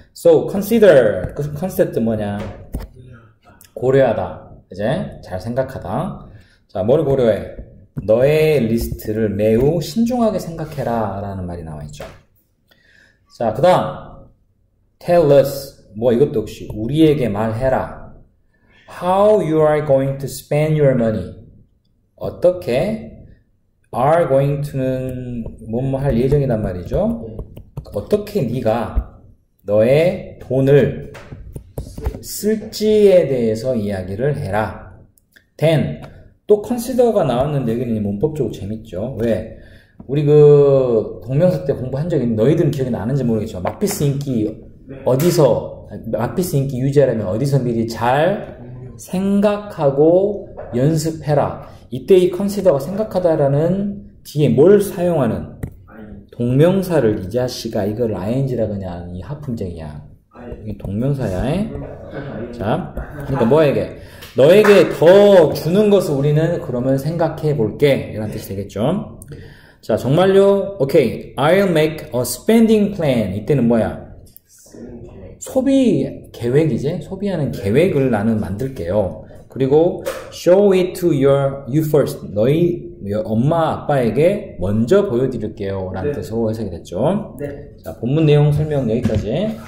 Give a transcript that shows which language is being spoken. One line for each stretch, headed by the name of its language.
English: So consider.
Korean: 그 concept 뭐냐? 고려하다. 이제 잘 생각하다. 자, 뭘 고려해? 너의 리스트를 매우 신중하게 생각해라 라는 말이 나와 있죠. 자, 그 다음
English: tell us
Korean: 뭐 이것도 역시 우리에게 말해라.
English: How you are going to spend your money?
Korean: 어떻게? are going to는 뭐뭐 할 예정이란 말이죠. 어떻게 네가 너의 돈을 쓸지에 대해서 이야기를 해라. Then 또 consider가 나왔는데 여기는 문법적으로 재밌죠. 왜? 우리 그 동명사 때 공부한 적 있는 너희들은 기억이 나는지 모르겠지만 마피스 인기 어디서 마피스 인기 유지하려면 어디서 미리 잘 생각하고 연습해라. 이때 이 consider가 생각하다라는 뒤에 뭘 사용하는 동명사를 이 자식아 이걸 ing라 그냥 이 하품쟁이야. 이게 동명사야. 자, 그러니까 뭐에게? 너에게 더 주는 것을 우리는 그러면 생각해 볼게. 이런 뜻이 되겠죠. 자, 정말요?
English: Okay. I'll make a spending plan.
Korean: 이때는 뭐야? 소비 계획이지? 소비하는 계획을 나는 만들게요. 그리고
English: show it to you first.
Korean: 너희 엄마, 아빠에게 먼저 보여드릴게요. 라는 뜻으로 해석이 됐죠. 자, 본문 내용 설명 여기까지.